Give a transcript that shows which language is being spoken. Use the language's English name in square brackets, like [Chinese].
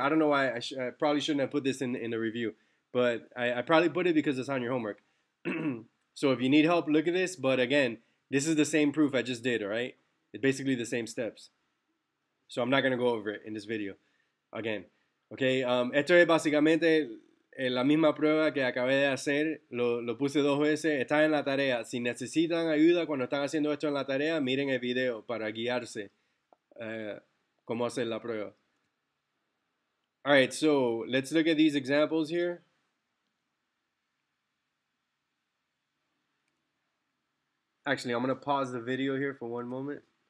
[English] I don't know why I probably shouldn't have put this in the review, but I probably put it because it's on your homework. So if you need help, look at this. But again, this is the same proof I just did, all right? It's basically the same steps. So I'm not going to go over it in this video again. [Spanish] Okay, esto es básicamente la misma prueba que acabé de hacer. Lo puse dos veces. Está en la tarea. Si necesitan ayuda cuando están haciendo esto en la tarea, miren el video para guiarse cómo hacer la prueba. [English] All right, so let's look at these examples here. Actually, I'm going to pause the video here for one moment.